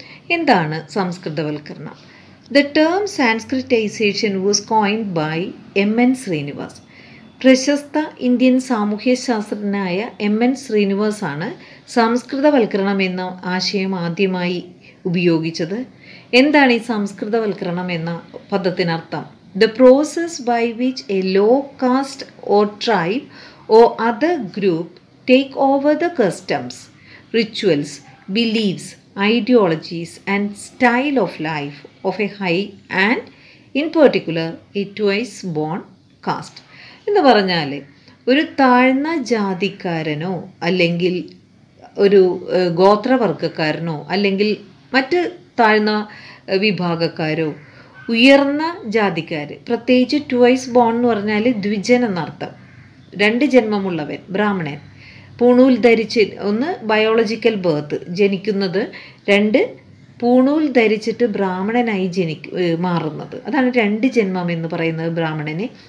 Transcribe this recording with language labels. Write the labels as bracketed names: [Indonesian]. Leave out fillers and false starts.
[Malayalam] എന്താണ് സംസ്കൃതവൽക്കരണം? [English] The term Sanskritization was coined by M.N. Srinivas. [Malayalam] പ്രശസ്ത Indian സാമൂഹ്യശാസ്ത്രജ്ഞനായ M.N. Srinivas ആണ് സംസ്കൃതവൽക്കരണം എന്ന ആശയം ആദ്യമായി ഉപയോഗിച്ചത്. എന്താണ് ഈ സംസ്കൃതവൽക്കരണം എന്ന പദത്തിനർത്ഥം? The process by which A law cast oh tribe oh other group [English] take over the customs, rituals, beliefs, ideologies and style of life of a high and in particular a twice born caste. [Malayalam] എന്ന് പറഞ്ഞാൽ ഒരു താഴ്ന്ന ജാതിക്കാരനോ അല്ലെങ്കിൽ ഒരു ഗോത്രവർഗക്കാരനോ അല്ലെങ്കിൽ മറ്റ് താഴ്ന്ന വിഭാഗക്കാരോ ഉയർന്ന ജാതിക്കാർ, പ്രത്യേകിച്ച് ട്വൈസ് ബോൺ എന്ന് പറഞ്ഞാൽ ദ്വിജന എന്നർത്ഥം, രണ്ട് ജന്മമുള്ളവൻ, ബ്രാഹ്മണൻ, പൂണൂൽ ധരിച്ച്, ഒന്ന് ബയോളജിക്കൽ ബേർത്ത് ജനിക്കുന്നത്, രണ്ട് പൂണൂൽ ധരിച്ചിട്ട് ബ്രാഹ്മണനായി മാറുന്നത്, അതാണ് രണ്ട് ജന്മം എന്ന് പറയുന്നത് ബ്രാഹ്മണന്.